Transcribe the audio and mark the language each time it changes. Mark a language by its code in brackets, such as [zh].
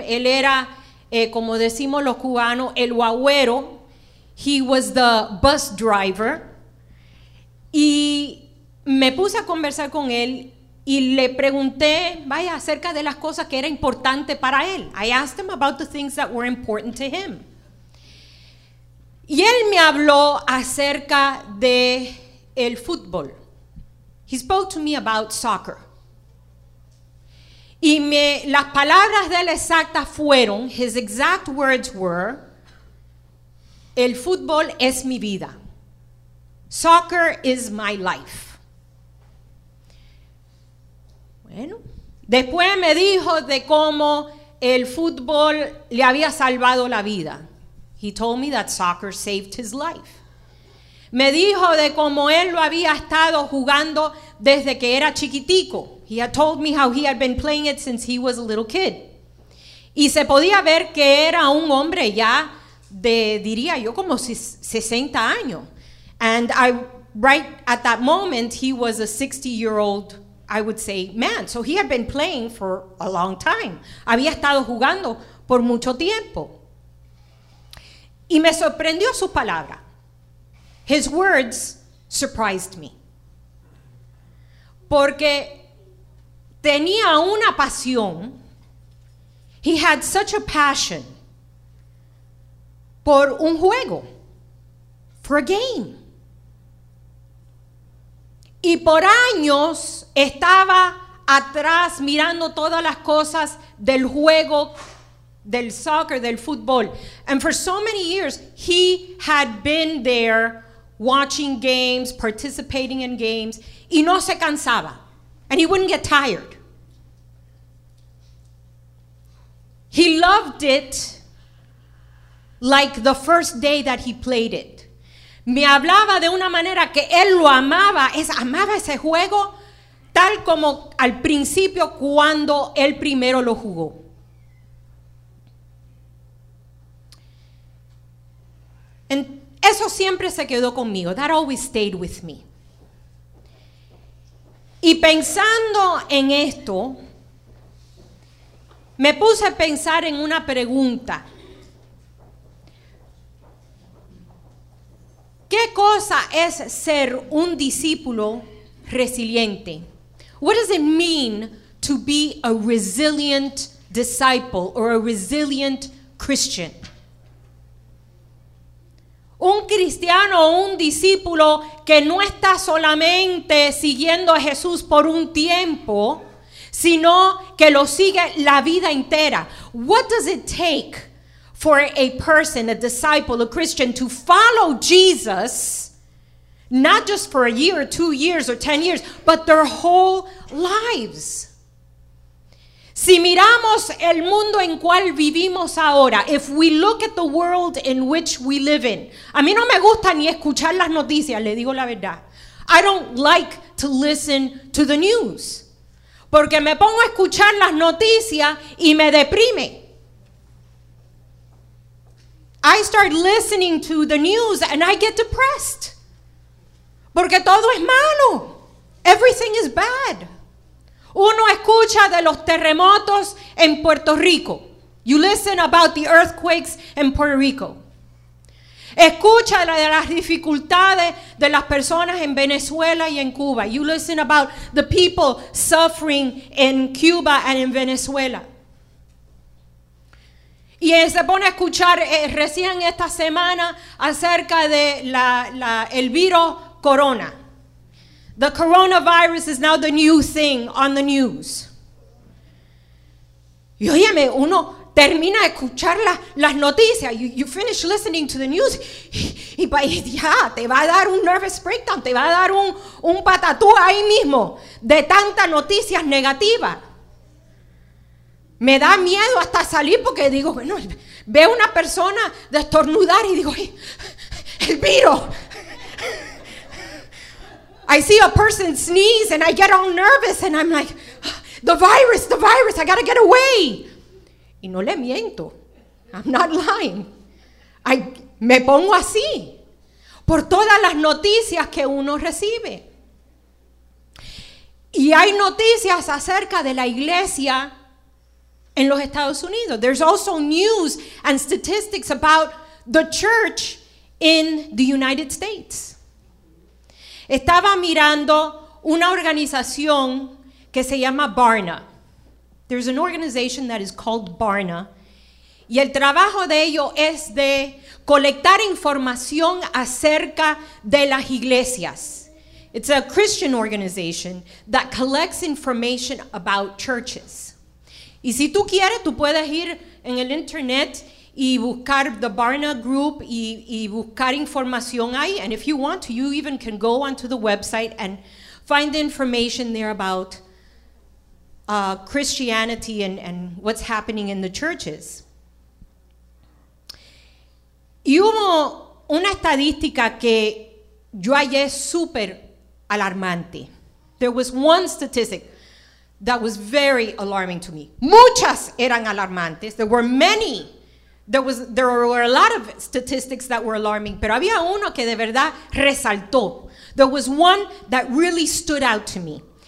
[es] Él era, como decimos los cubanos, el guagüero. [en] He was the bus driver. [es] Y me puse a conversar con él y le pregunté, vaya, acerca de las cosas que era importante para él. [en] I asked him about the things that were important to him. [es] Y él me habló acerca de el fútbol. [en] He spoke to me about soccer. [es] Y me, las palabras de él exactas fueron, [en] his exact words were, [es] el fútbol es mi vida. [en] Soccer is my life. [es] Bueno, después me dijo de cómo el fútbol le había salvado la vida. [en] He told me that soccer saved his life. [es] Me dijo de cómo él lo había estado jugando desde que era chiquitico. [en] He had told me how he had been playing it since he was a little kid. [es] Y se podía ver que era un hombre ya de, diría yo, como 60 años. [en] And I, right at that moment, he was a 60-year-old, I would say, man. So he had been playing for a long time. [es] Había estado jugando por mucho tiempo. Y me sorprendió su palabra. [en] His words surprised me. [es] Porque tenía una pasión. [en] He had such a passion [es] por un juego, [en] for a game. [es] Y por años estaba atrás mirando todas las cosas del juego, del soccer, del fútbol. [en] And for so many years, he had been there watching games, participating in games, [es] y no se cansaba. [en] And he wouldn't get tired. He loved it like the first day that he played it. [es] Me hablaba de una manera que él lo amaba, amaba ese juego tal como al principio cuando él primero lo jugó. [en] And [es] eso siempre se quedó conmigo. [en] That always stayed with me. [es] Y pensando en esto, me puse a pensar en una pregunta. ¿Qué cosa es ser un discípulo resiliente? [en] What does it mean to be a resilient disciple or a resilient Christian? [es] Un cristiano o un discípulo que no está solamente siguiendo a Jesús por un tiempo, sino que lo sigue la vida entera. [en] What does it take for a person, a disciple, a Christian, to follow Jesus, not just for a year or 2 years or 10 years, but their whole lives? [es] Si miramos el mundo en cual vivimos ahora, [en] if we look at the world in which we live in, [es] a mí no me gusta ni escuchar las noticias, le digo la verdad. [en] I don't like to listen to the news. [es] Porque me pongo a escuchar las noticias y me deprime. [en] I start listening to the news and I get depressed. [es] Porque todo es malo. [en] Everything is bad. [es] Uno escucha de los terremotos en Puerto Rico. [en] You listen about the earthquakes in Puerto Rico. [es] Escucha de las dificultades de las personas en Venezuela y en Cuba. [en] You listen about the people suffering in Cuba and in Venezuela. [es] Y se pone a escuchar recién esta semana acerca de el virus corona. [en] The coronavirus is now the new thing on the news. [es] Y óyeme, uno termina de escuchar las noticias. [en] You finish listening to the news. [es] Y ya, te va a dar un [en] nervous breakdown. [es] Te va a dar un patatú ahí mismo de tantas noticias negativas. Me da miedo hasta salir porque digo, bueno, veo una persona destornudar y digo, el virus. [en] I see a person sneeze and I get all nervous and I'm like, the virus, I gotta get away. [es] Y no le miento. [en] I'm not lying. [es] Me pongo así por todas las noticias que uno recibe. Y hay noticias acerca de la iglesia en los Estados Unidos. [en] There's also news and statistics about the church in the United States. [es] Estaba mirando una organización que se llama Barna. [en] There's an organization that is called Barna. [es] Y el trabajo de ellos es de colectar información acerca de las iglesias. [en] It's a Christian organization that collects information about churches. [es] Y si tú quieres, tú puedes ir en el internet y buscar the Barna Group y buscar información ahí. [en] And if you want to, you even can go onto the website and find information there about Christianity and what's happening in the churches. [es] Y hubo una estadística que yo hallé súper alarmante. [en] There was one statistic that was very alarming to me. [es] Muchas eran alarmantes. [en] There were many. There were a lot of statistics that were alarming, [es] pero había uno que de verdad resaltó. [en] There was one that really stood out to me.